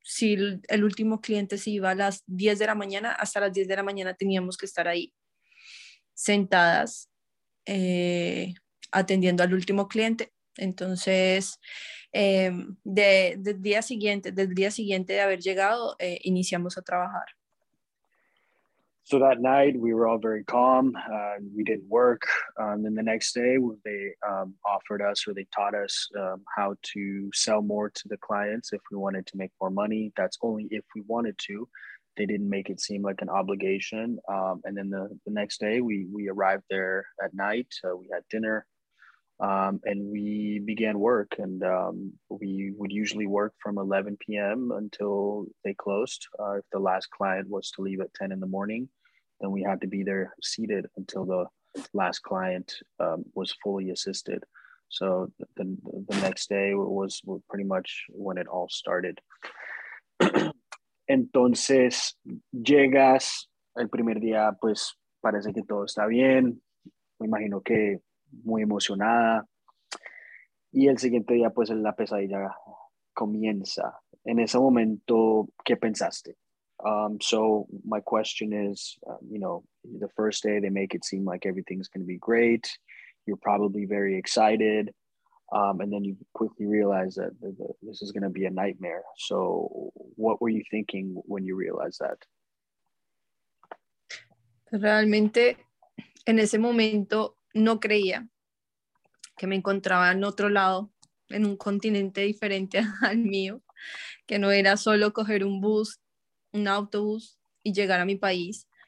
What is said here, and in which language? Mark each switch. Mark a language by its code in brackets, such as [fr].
[es] Si el último cliente se iba a las 10 de la mañana, hasta las 10 de la mañana teníamos que estar ahí sentadas atendiendo al último cliente. Entonces, del día siguiente de haber llegado, iniciamos a trabajar. [en] So that night we were all very calm. We didn't work. Then the next day they offered us, or they taught us how to sell more to the clients if we wanted to make more money. That's only if we wanted to. They didn't make it seem like an obligation. And then the next day we arrived there at night. We had dinner, and we began work. And we would usually work from 11 p.m. until they closed. If the last client was to leave at 10 in the morning, then we had to be there seated until the last client was fully assisted. So the next day was pretty much when it all started. [es] Entonces, llegas el primer día, pues parece que todo está bien. Me imagino que muy emocionada. Y el siguiente día, pues la pesadilla comienza. En ese momento, ¿qué pensaste? [en] So my question is, the first day they make it seem like everything's going to be great. You're probably very excited, and then you quickly realize that this is going to be a nightmare. So what were you thinking when you realized that? [es] Realmente en ese momento no creía que me encontraba en otro lado, en un continente diferente al mío, que no era solo coger un bus, un autobús y llegar a mi país.